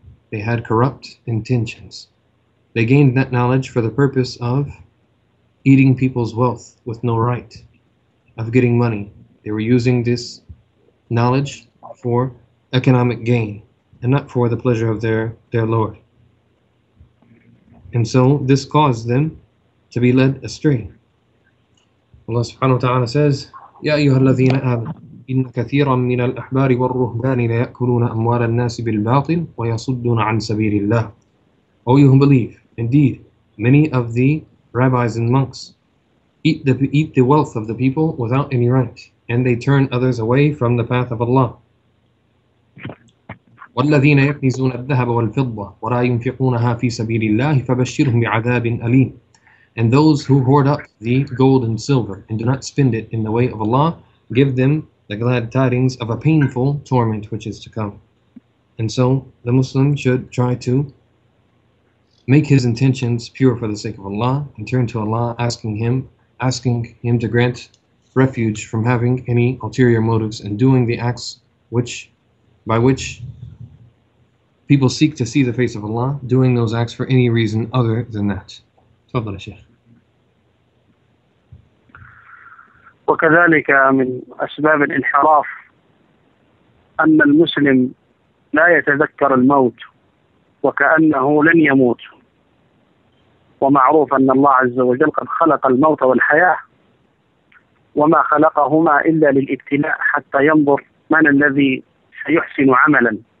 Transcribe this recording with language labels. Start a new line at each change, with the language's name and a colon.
English: They had corrupt intentions. They gained that knowledge for the purpose of eating people's wealth with no right, of getting money. They were using this knowledge for economic gain and not for the pleasure of their Lord. And so this caused them to be led astray. Allah subhanahu wa ta'ala says,
Arabic: يَا أَيُّهَا الَّذِينَ آمَنُوا إِنَّ كَثِيرًا مِّنَ الْأَحْبَارِ وَالرُّهْبَانِ لَيَأْكُلُونَ أَمْوَالَ النَّاسِ بِالْبَاطِلِ وَيَصُدُّونَ عَنْ سَبِيلِ اللَّهِ.
English: O you who believe, indeed, many of the rabbis and monks eat the wealth of the people without any right, and they turn others away from the path of Allah.
Arabic: وَالَّذِينَ يَكْنِزُونَ الذَّهَبَ وَالْفِضَّةِ وَلَا يُنْفِقُونَهَا فِي سَبِيلِ اللَّهِ فَبَشِّرْهُمْ بِعَذَابٍ أَلِيمٍ.
English: And those who hoard up the gold and silver and do not spend it in the way of Allah, give them the glad tidings of a painful torment which is to come. And so the Muslim should try to make his intentions pure for the sake of Allah and turn to Allah, asking him to grant refuge from having any ulterior motives and doing the acts by which people seek to see the face of Allah, doing those acts for any reason other than that.
Arabic: تفضل يا شيخ. وكذلك من أسباب الانحراف أن المسلم لا يتذكر الموت وكأنه لن يموت، ومعروف أن الله عز وجل قد خلق الموت والحياة وما خلقهما إلا للابتلاء حتى ينظر من الذي سيحسن عملا.